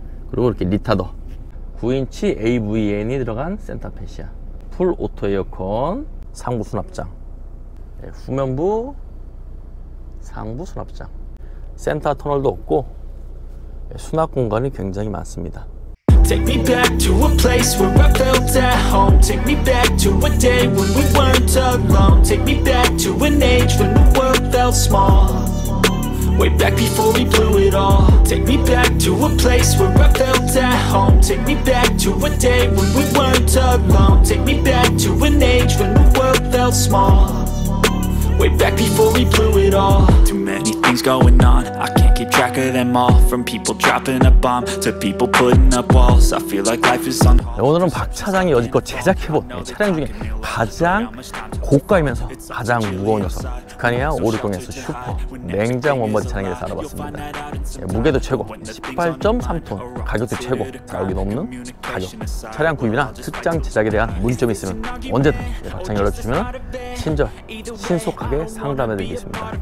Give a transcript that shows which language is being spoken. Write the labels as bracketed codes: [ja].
[ko] 그리고 이렇게 리타더 9인치 AVN이 들어간 센터패시아 풀 오토 에어컨 상부 수납장, 네, 후면부 상부 수납장, 센터 터널도 없고 수납 공간이 굉장히 많습니다. [en] Take me back to a place where I felt at home. Take me back to a day when we weren't alone. Take me back to an age when the world felt small. Way back before we blew it all. Take me back to a place where I felt at home. Take me back to a day when we weren't alone. Take me back to an age when the world felt small. Way back before we blew it all. Too many things going on, I can't keep track of them all. From people dropping a bomb to people putting up walls. I feel like life is on hold. [ko] 오늘은 박 차장이 여지껏 제작해본 차량 중에 가장 고가이면서 가장 무거운 녀석, 북한이야 560S 슈퍼 냉장 원버디 차량에 대해서 알아봤습니다. 무게도 최고 18.3톤, 가격도 최고, 가격이 넘는 가격. 차량 구입이나 특장 제작에 대한 문의점이 있으면 언제든 박창 연락주시면 친절, 신속하게 상담해드리겠습니다.